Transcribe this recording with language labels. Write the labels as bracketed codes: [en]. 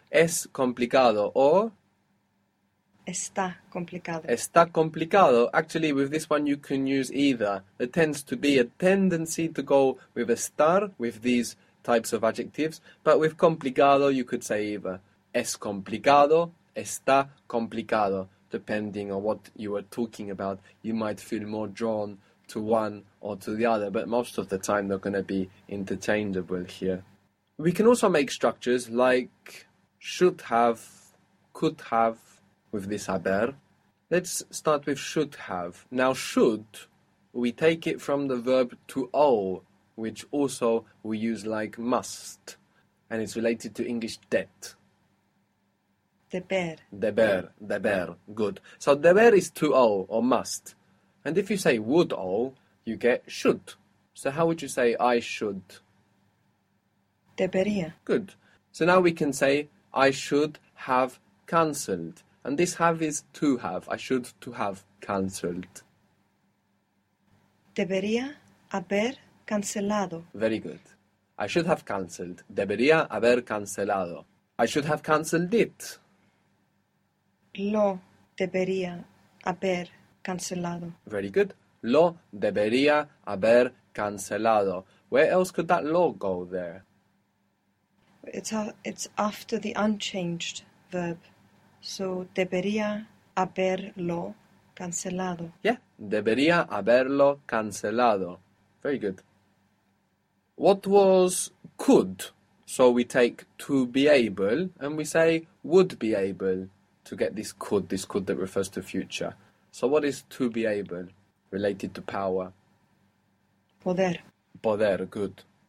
[es] Es complicado or Está complicado. está complicado. [en] Actually, with this one, you can use either. There tends to be a tendency to go with a star with these types of adjectives, but with complicado, you could say either. [es] Es complicado, está complicado. [en] Depending on what you are talking about, you might feel more drawn to one or to the other, but most of the time they're going to be interchangeable here. We can also make structures like should have, could have with this haber. Let's start with should have. Now, should, we take it from the verb to owe, which also we use like must, and it's related to English debt. [es] Deber. Deber, deber, good. [en] So deber is to owe or must. And if you say would owe, you get should. So how would you say I should? [es] Debería. [en] Good. So now we can say I should have cancelled. And this have is to have. I should to have cancelled. [es] Debería haber cancelado. [en] Very good. I should have cancelled. [es] Debería haber cancelado. [en] I should have cancelled it. [es] Lo debería haber cancelado. [en] Very good. [es] Lo debería haber cancelado. [en] Where else could that lo go there? It's after the unchanged verb, so [es] debería haberlo cancelado. Yeah, debería haberlo cancelado. [en] Very good. What was could? So we take to be able and we say would be able to get this could that refers to future. So what is to be able related to power? [es] Poder. Poder, good.